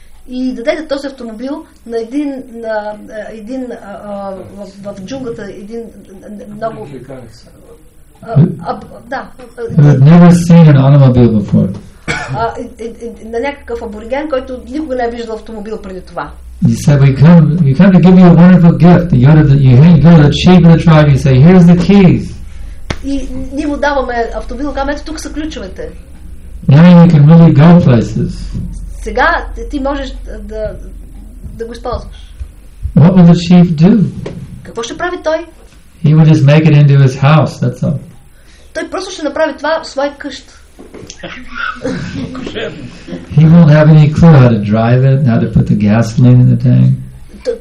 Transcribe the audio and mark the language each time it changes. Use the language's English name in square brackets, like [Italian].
[Bulgarian] И дадете този автомобил на един в джунглата един много [English] Had never seen an automobile before. [Bulgarian] На някакъв абориген, който никога не е виждал автомобил преди това. [English] He said, "We come to give you a wonderful gift. You go to the chief of the tribe. You say, 'Here's the keys.'" [Bulgarian] И ние му даваме автомобил, казваме, тук са ключовете. [English] Now you can really go places. [Bulgarian] Сега ти можеш да го използваш. [English] What will the chief do? [Bulgarian] Какво ще прави той? [English] He would just make it into his house. That's all. [Bulgarian] Той просто ще направи това в своя къща. [English] He won't have any clue how to drive it, how to put the gasoline in the tank.